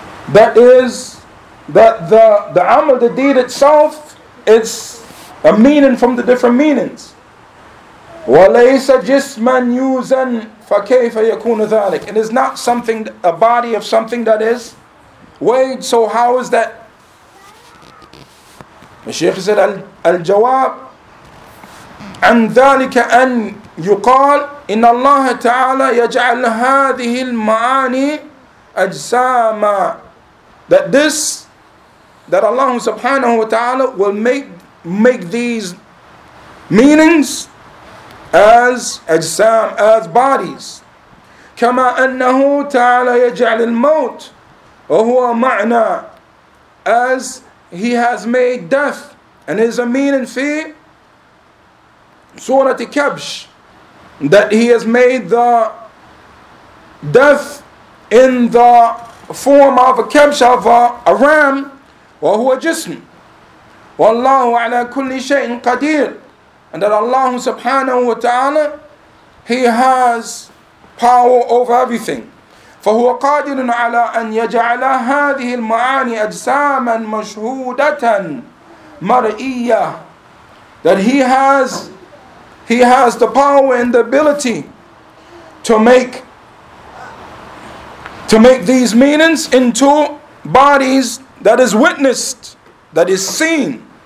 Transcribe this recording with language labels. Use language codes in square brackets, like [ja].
[en] That is, that the amal, the deed itself, it's a meaning from the different meanings. [ar] وَلَيْسَ جِسْمًا يُوزًا فَكَيْفَ يَكُونُ ذَلِكَ. [en] It is not something, a body of something that is weighed. So how is that? The Shaykh said, [ar] الجواب عن ذلك أن يقال إن الله تعالى يجعل هذه المعاني أجساما. [en] That Allah subhanahu wa ta'ala will make these meanings as ajsam, as bodies. [ar] كما أنه تعالى يجعل الموت وهو معنى, [en] as he has made death and is a meaning في Surah Kabsh, that he has made the death in the form of a kabsh, of a ram, [ar] وهو جسم. والله على كل شيء قدير. [en] And that Allah subhanahu wa ta'ala, he has power over everything. [ar] فهو قادر على أن يجعل هذه المعاني أجساما مشهودة مرئية. [en] That he has the power and the ability to make these meanings into bodies that is witnessed, that is seen.